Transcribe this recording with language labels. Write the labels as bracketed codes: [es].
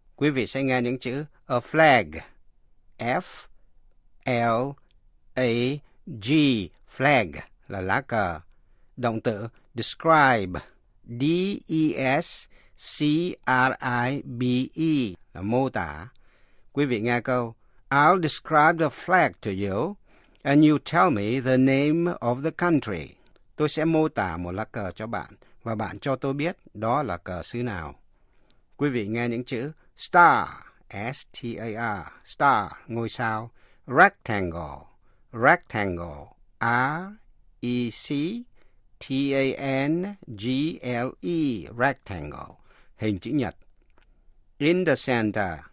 [vi] Quý vị sẽ nghe những chữ A flag, F-L-A-G, flag là lá cờ. Động từ describe, D-E-S, C-R-I-B-E là mô tả. Quý vị nghe câu, [en] I'll describe the flag to you, and you tell me the name of the country. [vi] Tôi sẽ mô tả một lá cờ cho bạn, và bạn cho tôi biết đó là cờ xứ nào. Quý vị nghe những chữ star, S-T-A-R, star, ngôi sao, rectangle, rectangle, R-E-C, T-A-N-G-L-E, rectangle, hình chữ nhật. [en] In the center,